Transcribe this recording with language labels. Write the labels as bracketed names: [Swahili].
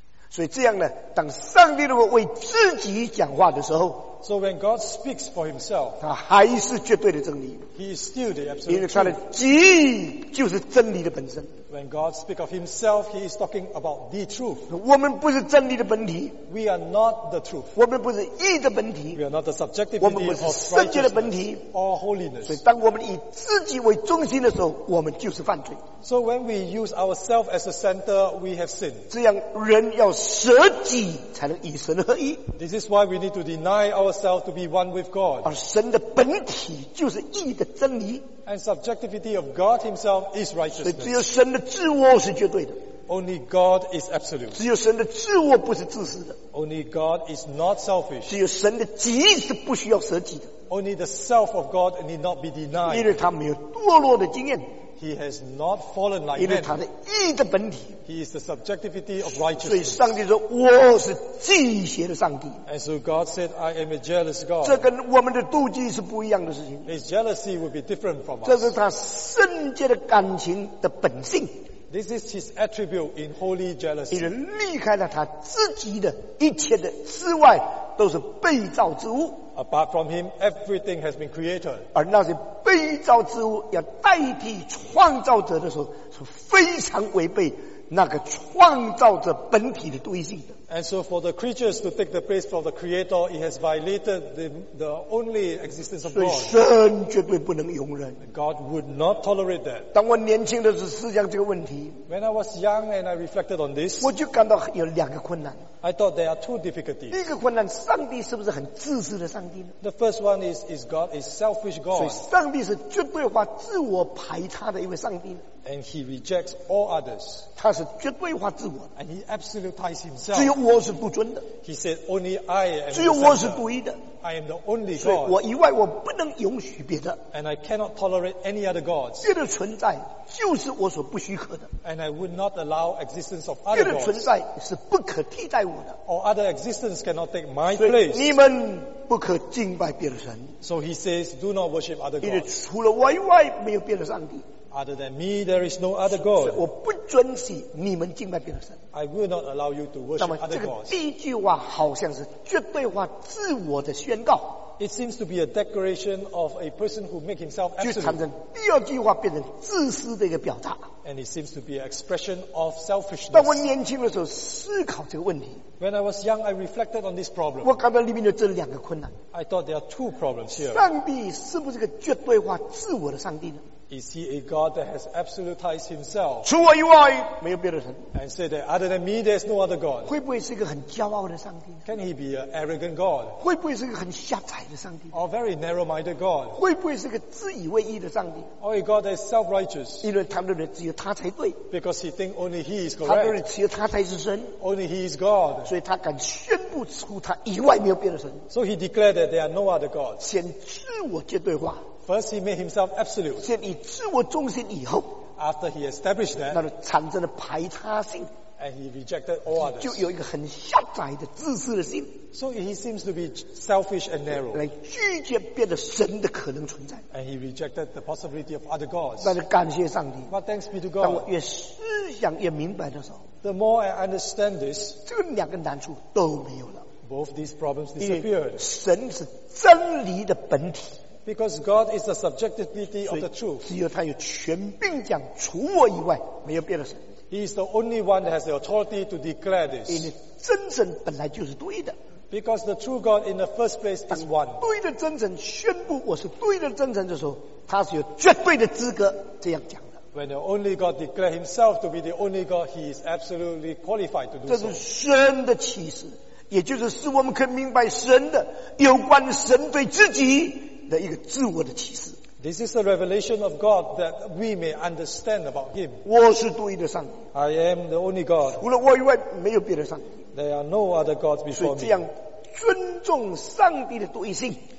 [Chinese] 所以这样呢，当上帝如果为自己讲话的时候 [English] ，So when God speaks for Himself, [Chinese] 他还是绝对的真理。 [English] He is still the absolute. [Chinese] 因为他的己就是真理的本身。 [English] When God speaks of Himself, He is talking about the truth. [Chinese] 我们不是真理的本体。 [English] We are not the truth. [Chinese] 我们不是义的本体。 [English] We are not the subjectivity. [Chinese] 我们不是圣洁的本体。 [English] Or holiness. [Chinese] 所以当我们以自己为中心的时候，我们就是犯罪。 [English] So when we use ourselves as a center, we have sinned. [Chinese] 这样人要舍己才能与神合一。 [English] This is why we need to deny ourselves to be one with God. [Chinese] 而神的本体就是义的真理。 [English] And subjectivity of God Himself is righteousness. [Chinese] 所以只有神的自我是绝对的。 [English] Only God is absolute. [Chinese] 只有神的自我不是自私的。 [English] Only God is not selfish. [Chinese] 只有神的己是不需要舍己的。 [English] Only the self of God need not be denied. [Chinese] 因为他没有堕落的经验。 [English] He has not fallen like man. [Chinese] 因为他的义的本体。 [English] He is the subjectivity of righteousness. [Chinese] 所以上帝说我是忌邪的上帝。 [English] And so God said, I am a jealous God. [Chinese] 这跟我们的妒忌是不一样的事情。 [English] His jealousy would be different from us. [Chinese] 这是他圣洁的感情的本性。 [English] This is his attribute in holy jealousy. [Chinese] 因为离开了他自己的一切的之外，都是被造之物。 [English] Apart from him, everything has been created. [Chinese] 而那些被造之物要代替创造者的时候，是非常违背那个创造者本体的独一性的。 [English] And so for the creatures to take the place of the creator, it has violated the only existence of God. [Chinese] 所以神绝对不能容忍。 [English] God would not tolerate that. [Chinese] 当我年轻的时候思想这个问题。 [English] When I was young and I reflected on this, [Chinese] 我就感到有两个困难。 [English] I thought there are two difficulties. [Chinese] 第一个困难，上帝是不是很自私的上帝呢？ [English] The first one is God a selfish God? [Chinese] 所以上帝是绝对化自我排他的一位上帝呢？ [English] And he rejects all others. [Chinese] 他是绝对化自我。 [English] And he absolutizes himself. [Chinese] 只有我是不尊的。 [English] He said only I am. [Chinese] 只有我是独一的。 [English] I am the only God. [Chinese] 所以我以外我不能容许别的。 [English] And I cannot tolerate any other gods. [Chinese] 别的存在就是我所不许可的。 [English] And I would not allow existence of other gods. [Chinese] 别的存在是不可替代我的。 [English] Or other existence cannot take my place. [Chinese] 你们不可敬拜别的神。 [English] So he says do not worship other gods. [Chinese] 因为除了我以外没有别的上帝。 [English] Other than me, there is no other God. [Chinese] 我不准许你们敬拜别的神。 [English] I will not allow you to worship other gods. [Chinese] 那么这个第一句话好像是绝对化自我的宣告。 [English] It seems to be a declaration of a person who make himself absolute. [Chinese] 就产生第二句话变成自私的一个表达。 [English] And it seems to be an expression of selfishness. [Chinese] 当我年轻的时候思考这个问题。 [English] When I was young, I reflected on this problem. [Chinese] 我感到里面有这两个困难。 [English] I thought there are two problems here. [Chinese] 上帝是不是个绝对化自我的上帝呢？ [English] Is he a God that has absolutized himself? [Chinese] 除我以外没有别的神。 [English] And say that other than me, there's no other God. [Chinese] 会不会是一个很骄傲的上帝？ [English] Can he be an arrogant God? [Chinese] 会不会是一个很狭窄的上帝？ [English] Or very narrow-minded God? [Chinese] 会不会是一个自以为意的上帝？ [English] Or a God that is self-righteous? [Chinese] 因为他认为只有他才对。 [English] Because he thinks only he is correct. [Chinese] 他认为只有他才是神。 [English] Only he is God. [Chinese] 所以他敢宣布出他以外没有别的神。 [English] So he declared that there are no other gods. [Chinese] 先自我绝对化。 [English] First, he made himself absolute. [Chinese] 先以自我中心以后 [English] after he established that, [Chinese] 那就产生了排他性 [English] And he rejected all others. [Chinese] 就有一个很狭窄的自私的心, [English] so he seems to be selfish and narrow. [Chinese] 来拒绝别的神的可能存在, [English] and he rejected the possibility of other gods. [Chinese] 但是感谢上帝, [English] but thanks be to God. [Chinese] 当我越思想越明白的时候, [English] the more I understand this, [Chinese] 这两个难处都没有了, [English] both these problems disappeared. [Chinese] 神是真理的本体, [English] because God is the subjectivity of the truth. [Chinese] 只有他有权柄讲, 除我以外, 没有别的神。 [English] He is the only one that has the authority to declare this. [Chinese] 因为真神本来就是对的, [English] because the true God in the first place is one. [Chinese] 对的真神宣布我是对的真神的时候, 他是有绝对的资格这样讲的。 [English] When the only God declares himself to be the only God, he is absolutely qualified to do so. [Chinese] 这是神的启示, 也就是使我们可以明白神的有关神对自己的一个自我的启示。 [English] This is the revelation of God that we may understand about him. [Chinese] 我是独一的上帝, [English] I am the only God. [Chinese] 除了我以外, 没有别的上帝。 [English] There are no other gods before me. [Chinese] 所以这样尊重上帝的独一性,